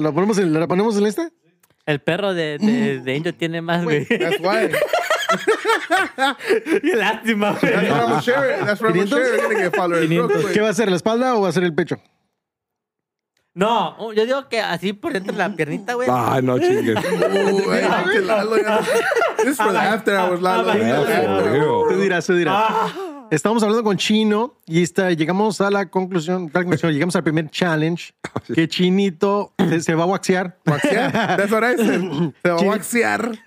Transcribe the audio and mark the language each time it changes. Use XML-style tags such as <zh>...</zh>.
<es>¿Lo ponemos en este? El perro de Angel tiene más, güey.</es> <en>That's why.</en> <es>Qué lástima, güey.</es> <en>That's where I'm going to share it. That's where I'm going to share it.</en> <es>Tiene que</es> <en>follow it.</en> <es>¿Qué va a hacer? ¿La espalda o va a ser el pecho? No, yo digo que así por dentro de la piernita, güey. Ah, no, chingues.</es> <en>Hey, this is for the after hours, Lalo.</en> <es>Tú dirás. Estamos hablando con Chino y llegamos a la conclusión, llegamos al primer challenge, que Chinito se va a waxear. ¿Waxear?</es> <en>That's what I said.</en> <es>Se va a waxear.</es>